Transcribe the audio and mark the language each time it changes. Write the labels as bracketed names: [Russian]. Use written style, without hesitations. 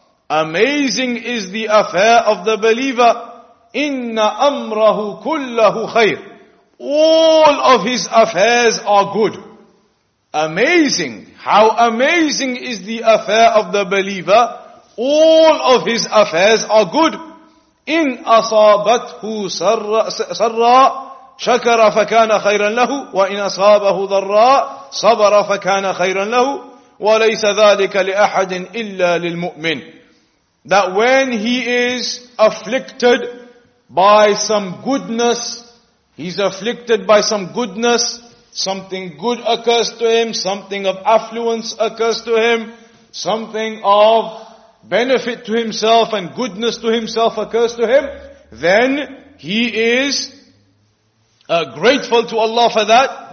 [English] Amazing is the affair of the believer. [Arabic] إِنَّ أَمْرَهُ كُلَّهُ خَيْرٌ. [English] All of his affairs are good. Amazing. How amazing is the affair of the believer. All of his affairs are good. [Arabic] إِنْ أَصَابَتْهُ سَرَّا شَكَرَ فَكَانَ خَيْرًا لَهُ وَإِنْ أَصَابَهُ ضَرَّا صَبَرَ فَكَانَ خَيْرًا لَهُ وَلَيْسَ ذَلِكَ لِأَحَدٍ إِلَّا لِلْمُؤْمِنِ. [English] That when he is afflicted by some goodness, he's afflicted by some goodness, something good occurs to him, something of affluence occurs to him, something of benefit to himself and goodness to himself occurs to him, then he is grateful to Allah for that.